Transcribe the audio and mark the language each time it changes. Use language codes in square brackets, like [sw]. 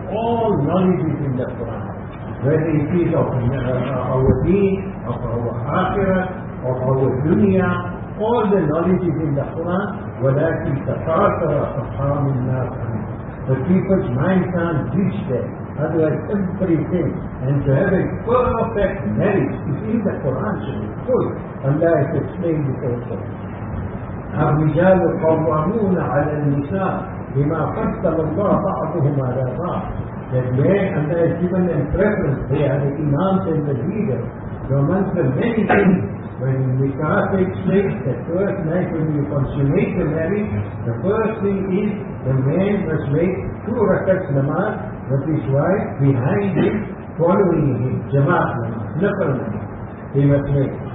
[en] All knowledge is in the Quran. Whether it is of our deen, of our akhirah, of our dunya, all the knowledge is in the Quran. [ar] Walaki tatatara faqamun nas. [en] The people's mind can't reach there. Otherwise, everything. And to have a perfect marriage is in the Quran, should be full. Allah has explained it also. [ar] الرجال قوامون على النساء بما قسم الله بعضهم على بعض. [en] That men, and they are given them preference, they are the imams and the leaders. So amongst the many things, when nikah takes place, the first night when you consummate the marriage, the first thing is the man must make 2 rakats namaz with his wife behind him, following him, jamaat namaz, nafal namaz, he must make.